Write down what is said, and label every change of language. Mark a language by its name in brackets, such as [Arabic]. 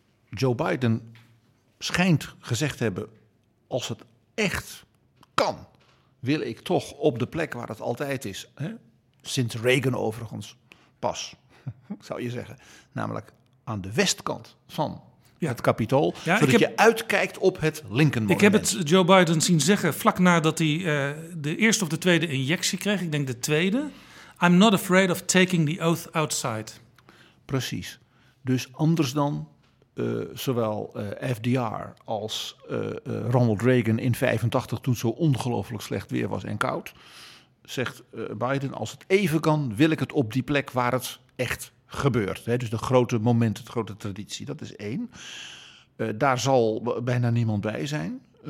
[Dutch] Joe Biden schijnt gezegd te hebben, als het echt kan, wil ik toch op de plek waar het altijd is. Hè? Sinds Reagan overigens pas, zou je zeggen. Namelijk aan de westkant van het Capitool, zodat je uitkijkt op het Lincoln Monument. Ik heb het Joe Biden zien zeggen vlak nadat hij de eerste of de tweede injectie kreeg. Ik denk de tweede. [English] I'm not afraid of taking the oath outside. [Dutch] Precies. Dus anders dan zowel FDR als Ronald Reagan in 85, toen het zo ongelooflijk slecht weer was en koud, zegt Biden, als het even kan, wil ik het op die plek waar het echt gebeurt. Hè? Dus de grote momenten, de grote traditie, dat is één. Daar zal bijna niemand bij zijn.